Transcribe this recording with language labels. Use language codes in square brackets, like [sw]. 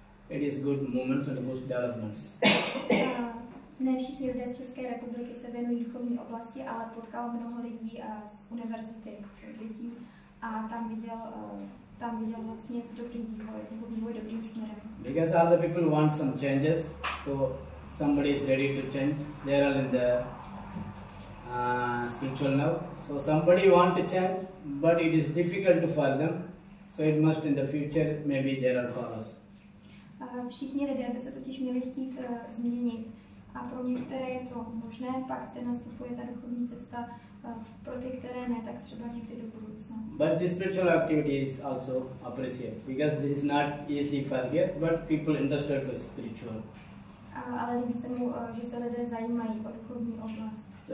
[en] It is good movements and good developments. [cs] Ne všichni lidé z České republiky se věnují duchovní oblasti, ale potkal mnoho lidí z univerzity lidí a tam viděl vlastně vývoj dobrým směrem. [en] Because all the people want some changes, so somebody is ready to change. They are all in the spiritual now. So somebody want to change, but it is difficult for them. So it must in the future, maybe they are for us. [cs] Všichni lidé by se totiž měli chtít změnit. A pro některé je to možné, pak se nastupuje ta duchovní cesta. Pro ty, které ne, tak třeba někdy do budoucna. [en] But this spiritual activity is also appreciated, because this is not easy for here, but people interested in spiritual. [cs] Ale líbí se mu, že se lidé zajímají o duchovní oblast.